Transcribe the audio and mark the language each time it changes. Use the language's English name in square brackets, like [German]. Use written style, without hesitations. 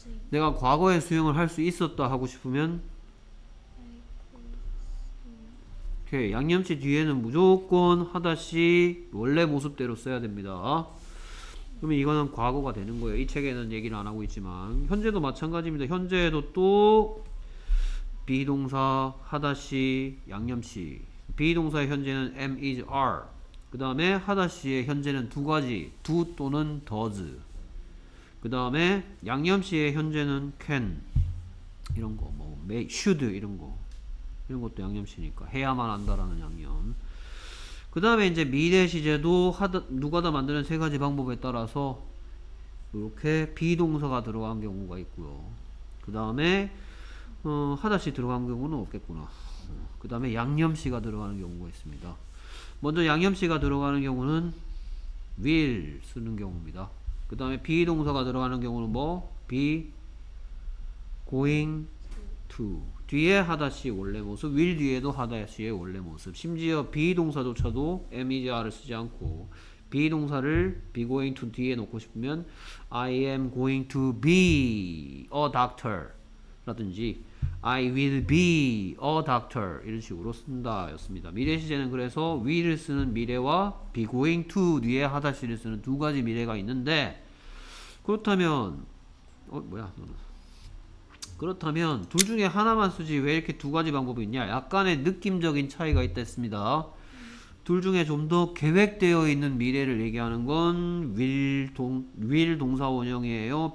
[Korean] 내가 과거의 수형을 할수 있었다 하고 싶으면 오케이, 양념치 뒤에는 무조건 하다시 원래 모습대로 써야 됩니다. 그러면 이거는 과거가 되는 거예요. 이 책에는 얘기를 안 하고 있지만 현재도 마찬가지입니다. 현재에도 또 비동사 하다시 양념치. 비동사의 현재는 am, is, are. 그 다음에 하다시의 현재는 두 가지. [English] do 또는 does. [Korean] 그 다음에 양념치의 현재는 can 이런 거, 뭐 may, should 이런 거. 이런 것도 양념시니까 해야만 한다라는 양념. 그 다음에 이제 미래 시제도 누가 다 만드는 세 가지 방법에 따라서 이렇게 비동사가 들어간 경우가 있고요. 그 다음에 하다시 들어간 경우는 없겠구나. 그 다음에 양념시가 들어가는 경우가 있습니다. 먼저 양념시가 들어가는 경우는 will 쓰는 경우입니다. 그 다음에 비동사가 들어가는 경우는 뭐? [English] be going to. [Korean] 뒤에 하다시 원래 모습, will 뒤에도 하다시의 원래 모습. 심지어 be 동사조차도 am, is, are를 쓰지 않고 be 동사를 be going to 뒤에 놓고 싶으면 [English] I am going to be a doctor [Korean] 라든지 [English] I will be a doctor [Korean] 이런 식으로 쓴다였습니다. 미래 시제는 그래서 will을 쓰는 미래와 be going to 뒤에 하다시를 쓰는 두 가지 미래가 있는데 그렇다면 뭐야 너는? 그렇다면 둘 중에 하나만 쓰지 왜 이렇게 두 가지 방법이 있냐? 약간의 느낌적인 차이가 있다 했습니다. 둘 중에 좀더 계획되어 있는 미래를 얘기하는 건 will 동사 원형이에요.